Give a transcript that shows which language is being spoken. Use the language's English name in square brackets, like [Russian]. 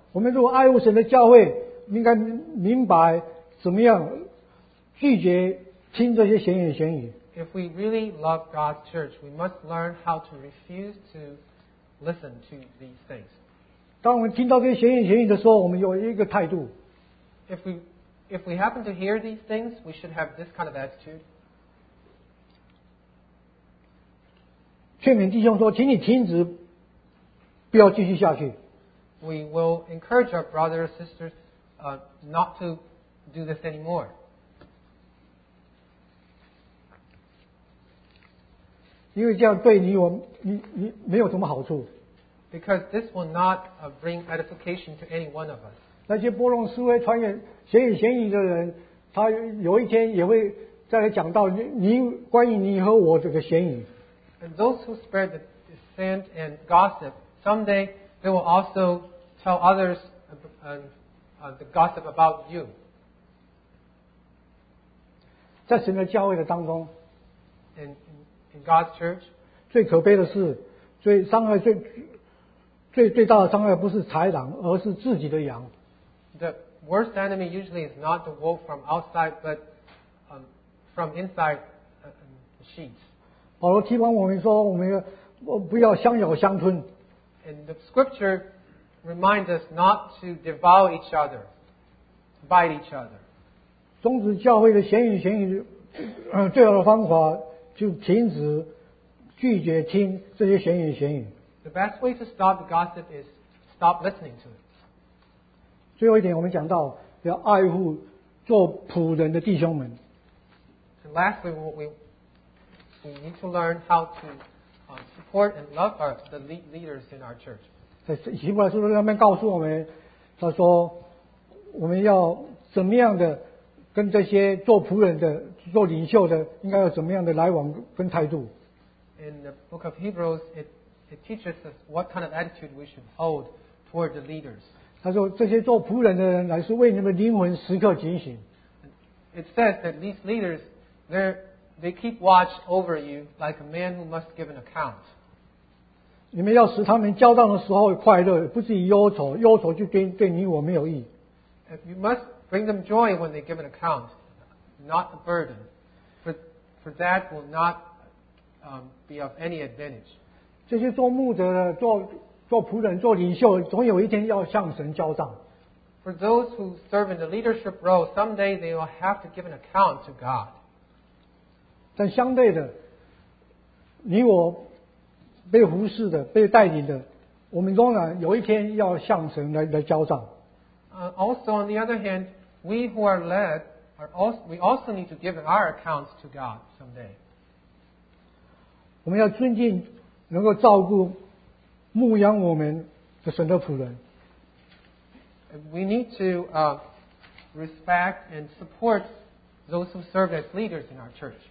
[Chinese] 我们如果爱护神的教会，应该明白怎么样拒绝听这些闲言闲语。 [English] If we really love God's church, we must learn how to refuse to listen to these things. [Chinese] 当我们听到这些闲言闲语的时候，我们有一个态度。 [English] If we happen to hear these things, we should have this kind of attitude. [Chinese] 劝勉弟兄说，请你停止，不要继续下去。 [English] We will encourage our brothers and sisters, not to do this anymore. [Chinese] 因为这样对你我你没有什么好处。 [English] Because this will not bring edification to any one of us. [Chinese] 那些拨弄是非、传言闲言闲语的人，他有一天也会再来讲到你关于你和我这个闲语。 [English] And those who spread the dissent and gossip, someday they will also tell others the gossip about you. [Chinese] 在神的教会的当中， [English] in God's church, [Chinese] 最可悲的是，最伤害最大的伤害不是豺狼，而是自己的羊。 [English] The worst enemy usually is not the wolf from outside, but from inside the sheep. [Chinese] 保罗提醒我们说，我们不要相咬相吞。 [English] And the scripture reminds us not to devour each other, bite each other. [Chinese] 终止教会的闲言闲语，最好的方法就停止拒绝听这些闲言闲语。 [English] The best way to stop the gossip is stop listening to it. [Chinese] 最后一点，我们讲到要爱护做仆人的弟兄们。 [English] And lastly, we need to learn how to support and love our the leaders in our church. [Chinese] 在希伯来书上面告诉我们，他说我们要怎么样的跟这些做仆人的、做领袖的，应该要怎么样的来往跟态度。 [English] In the book of Hebrews, it teaches us what kind of attitude we should hold toward the leaders. [Chinese] 他说这些做仆人的人乃是为你们灵魂时刻警醒。 [English] It says that these leaders, they keep watch over you like a man who must give an account. [Chinese] 你们要使他们教导的时候快乐，不至于忧愁，忧愁就对你我没有益。 [English] You must bring them joy when they give an account, not a burden. For that will not be of any advantage. [Chinese] 这些做牧者的、做仆人、做领袖，总有一天要向神交账。 [English] For those who serve in the leadership role, someday they will have to give an account to God. [Chinese] 但相对的，你我被服侍的、被带领的，我们仍然有一天要向神来交账。 [English] Also, on the other hand, we who are led, we also need to give our accounts to God someday. [Chinese] 我们要尊敬能够照顾牧养我们的神的仆人。 [English] We need to respect and support those who serve as leaders in our church.